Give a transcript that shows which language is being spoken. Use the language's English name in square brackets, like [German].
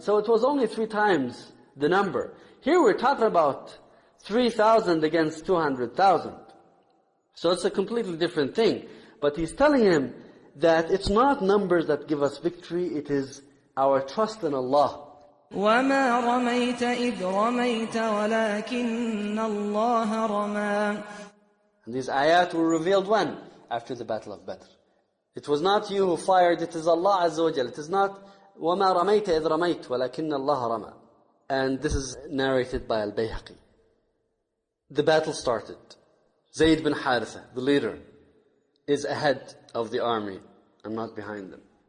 [English] So it was only three times the number. Here we're talking about 3,000 against 200,000. So it's a completely different thing. But he's telling him that it's not numbers that give us victory, it is our trust in Allah. [Arabic] وما رميت إذ رميت ولكن الله رمى. [English] These ayat were revealed when? After the Battle of Badr. It was not you who fired, it is Allah Azza wa Jal. It is not [Arabic] وَمَا رَمَيْتَ إِذْ رَمَيْتَ وَلَكِنَّ اللَّهَ رَمَى. [English] And this is narrated by Al-Bayhaqi. The battle started. Zayd bin Haritha, the leader, is ahead of the army and not behind them.